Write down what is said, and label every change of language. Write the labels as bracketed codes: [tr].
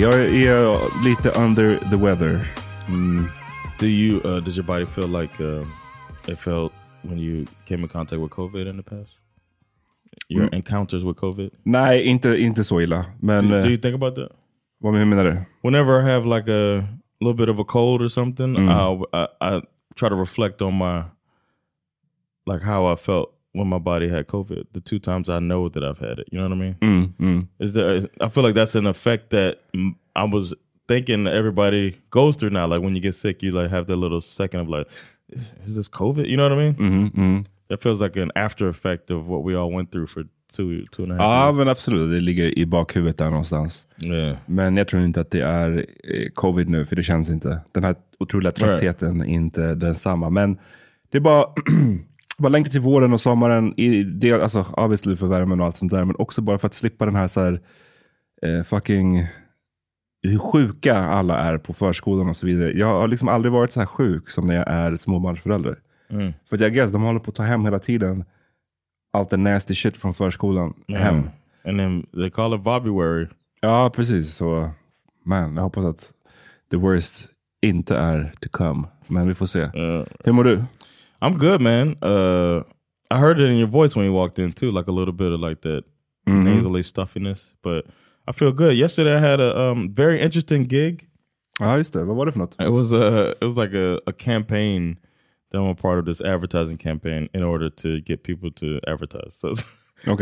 [sv] Jag är lite [en] under the weather. Does your body feel like it felt when you came in contact with COVID in the past? Your encounters with COVID? [sv] Nej, inte så illa. Men [en] do you think about that? [sv] Vad menar du? [en] Whenever I have like a little bit of a cold or something, I try to reflect on my like how I felt when my body had COVID, the two times I know that I've had it, you know what I mean? I feel like that's an effect that I was thinking everybody goes through now. Like when you get sick, you like have that little second of like, is this COVID? You know what I mean? That feels like an after effect of what we all went through for two and a half [sv] years. Ja, men absolut. Det ligger i bakhuvudet där någonstans. [en] Yeah. [sv] Men jag tror inte att det är COVID nu, för det känns inte. Den här otroliga tröttheten är inte densamma. Men det är bara... bara längtar till våren och sommaren i del, alltså obviously för värmen och allt sånt där, men också bara för att slippa den här så här fucking hur sjuka alla är på förskolan och så vidare. Jag har liksom aldrig varit så här sjuk som när jag är småbarnsförälder. För att jag guess de håller på att ta hem hela tiden allt det [en] nasty shit [sv] från förskolan hem. [en] And then they call it Bobbyware. [sv] Ja, precis. Så man, jag hoppas att [en] the worst [sv] inte är [en] to come, [sv] men vi får se. Hur mår du? [en] I'm good, man. I heard it in your voice when you walked in, too. Like, a little bit of, like, that nasally stuffiness. But I feel good. Yesterday, I had a very interesting gig. [sv] Ah, just det. [en] What if not? It was like a campaign that I'm a part of, this advertising campaign, in order to get people to advertise. So, okay.